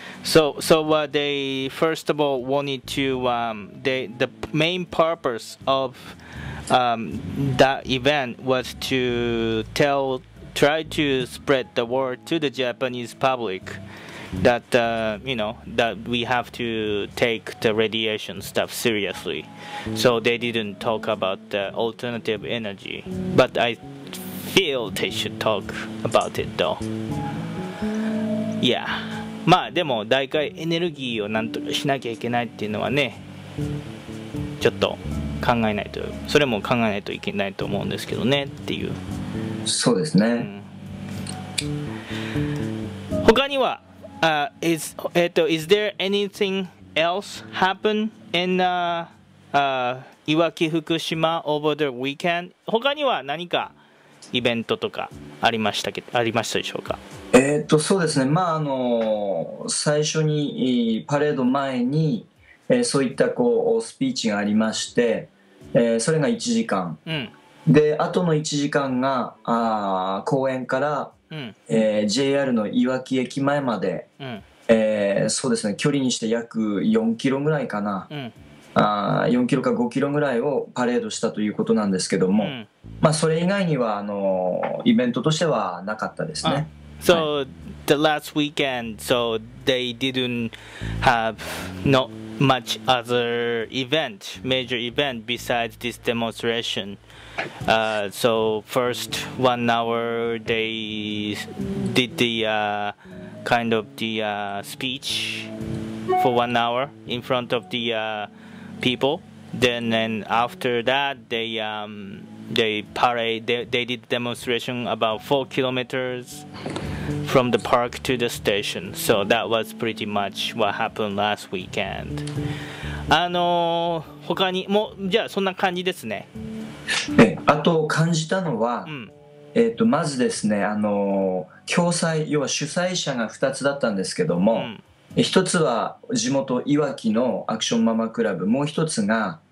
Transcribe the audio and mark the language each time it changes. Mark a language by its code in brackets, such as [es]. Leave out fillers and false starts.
[en] So they first of all wanted to, the main purpose of that event was to try to spread the word to the Japanese public that that we have to take the radiation stuff seriously. So they didn't talk about the alternative energy, but I feel they should talk about it though. Yeah. [ja] まあでも大会エネルギーをなんとかしなきゃいけないっていうのはね、ちょっと考えないと、それも考えないといけないと思うんですけどねっていう。そうですね。うん、他には、 [en] is there anything else happen in Iwaki Fukushima over the weekend? [ja] 他には何かイベントとかありましたでしょうか？そうですね。まあ最初にパレード前に、そういったこうスピーチがありまして。それが1時間、うん、であとの1時間が公園から、うん、 JR のいわき駅前まで、うん、そうですね、距離にして約4キロぐらいかな、うん、 4キロか5キロぐらいをパレードしたということなんですけども、うん、まあ、それ以外にはイベントとしてはなかったですね。 [en] So the last weekend, so they didn't have notmuch other event, major event besides this demonstration. So first 1 hour they did the kind of the speech for 1 hour in front of the people. Then after that they did demonstration about 4 kilometers from the park to the station. So that was pretty much what happened last weekend. [ja] 他にもじゃあそんな感じですね。あと感じたのは、うん、まずですね、共催、要は主催者が2つだったんですけども、うん、1つは地元いわきのアクションママクラブ、もう1つが、